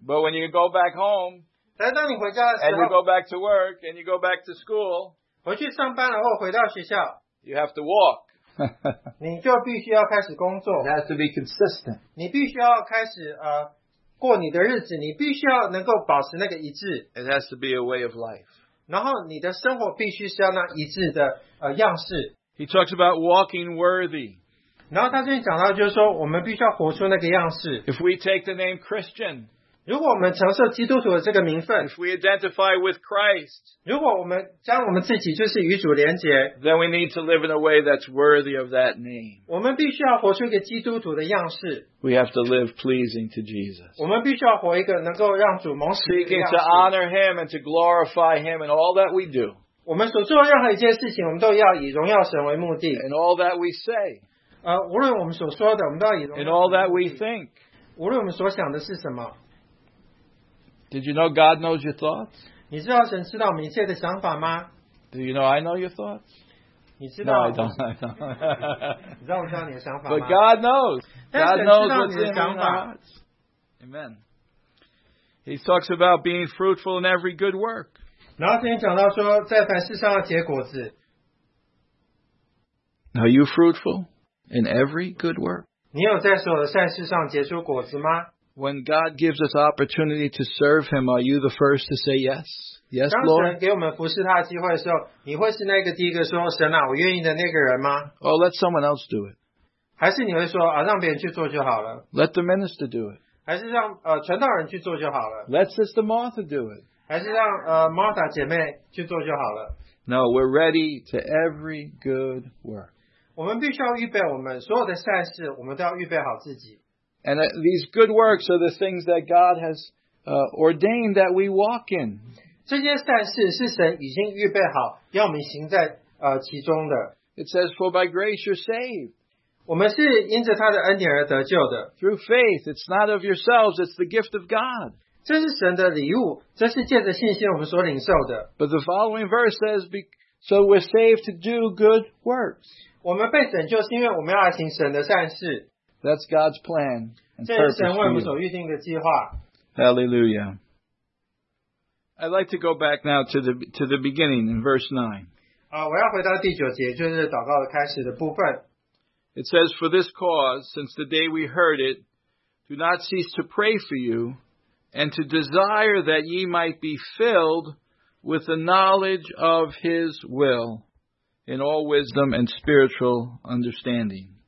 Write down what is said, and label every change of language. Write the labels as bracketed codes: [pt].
[en] But when you go back home, [zh] 但当你回家的时候 [en] and you go back to work, and you go back to school, [zh] 回去上班了或回到学校 [en] you have to walk. [zh] 你就必须要开始工作。 [en] It has to be consistent. [zh] 你必须要开始过你的日子，你必须要能够保持那个一致。 [en] It has to be a way of life. [zh] 然后你的生活必须是要那一致的样式。 [en] He talks about walking worthy. [zh] 然后他这边讲到就是说，我们必须要活出那个样式。 [en] If we take the name Christian, [zh] 如果我们承受基督徒的这个名分 [en] ，If we identify with Christ. [zh] 如果我们将我们自己就是与主连结 [en] ，then we need to live in a way that's worthy of that name. [zh] 我们必须要活出一个基督徒的样式。 [en] We have to live pleasing to Jesus. [zh] 我们必须要活一个能够让主蒙喜悦的样式。 [en] Seeking to honor Him and to glorify Him in all that we do. [zh] 我们所做的任何一件事情，我们都要以荣耀神为目的。 [en] In all that we say. [zh] 无论我们所说的，我们都要以荣耀。 [en] In all that we think. [zh] 无论我们所想的是什么。 [en] Did you know God knows your thoughts? [zh] 你知道神知道我们一切的想法吗？ [en] Do you know I know your thoughts? [zh] 你知道？ [en] No, I don't. [zh] 你知道我知道你的想法吗？ [en] But God knows. God knows what's in your heart. Amen. He talks about being fruitful in every good work. [zh] 然后这边讲到说，在凡事上要结果子。 [en] Are you fruitful in every good work? [zh] 你有在所有的善事上结出果子吗？ [en] When God gives us opportunity to serve Him, are you the first to say yes? Yes, Lord? [zh] 当神给我们服侍他的机会的时候，你会是那个第一个说神啊，我愿意的那个人吗？ [en] Or let someone else do it. [zh] 还是你会说啊，让别人去做就好了。 [en] Let the minister do it. [zh] 还是让传道人去做就好了。 [en] Let Sister Martha do it. [zh] 还是让Martha 姐妹去做就好了。 [en] No, we're ready to every good work. [zh] 我们必须要预备我们所有的善事，我们都要预备好自己。 [en] And these good works are the things that God has ordained that we walk in. [zh] 这些善事是神已经预备好要我们行在其中的。 [en] It says, "For by grace you're saved." [zh] 我们是因着他的恩典而得救的。 [en] Through faith, it's not of yourselves; it's the gift of God. [zh] 这是神的礼物，这是借着信心我们所领受的。 [en] But the following verse says, "So we're saved to do good works." [zh] 我们被拯救是因为我们要来行神的善事。 [en] That's God's plan and purpose. [zh] 这是神为我们所预定的计划。 [en] Hallelujah. I'd like to go back now to the beginning in verse 9. [zh] 我要回到第九节，就是祷告开始的部分。 [en] It says, "For this cause, since the day we heard it, do not cease to pray for you, and to desire that ye might be filled with the knowledge of His will, in all wisdom and spiritual understanding."